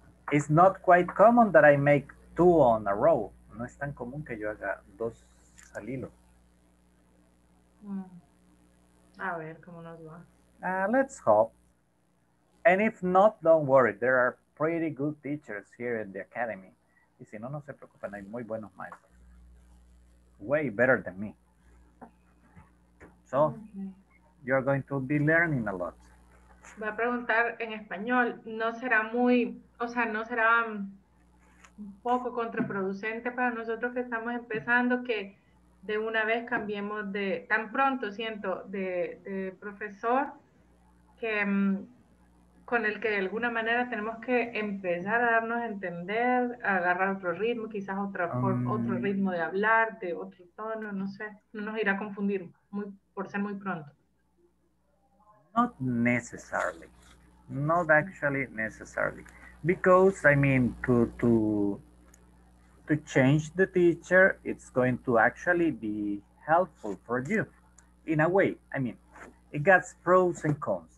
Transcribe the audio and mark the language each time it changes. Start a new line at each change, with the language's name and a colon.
English: It's not quite common that I make two on a row.
Spanish: No es tan común que yo haga dos al hilo. A ver, ¿cómo nos va?
English: Let's hope. And if not, don't worry. There are pretty good teachers here in the academy.
Spanish: Y si no, no se preocupen. Hay muy buenos maestros.
English: Way better than me. So, you're going to be learning a lot.
Spanish: Voy a preguntar en español. ¿No será muy, o sea, no será un poco contraproducente para nosotros que estamos empezando que de una vez cambiemos de, tan pronto siento, de profesor que con el que de alguna manera tenemos que empezar a darnos a entender, a agarrar otro ritmo, quizás otro ritmo de hablar, de otro tono, no sé, no nos irá a confundir muy, por ser muy pronto?
English: Not necessarily, not actually necessarily, because I mean to change the teacher, it's going to actually be helpful for you. In a way, I mean, it got pros and cons.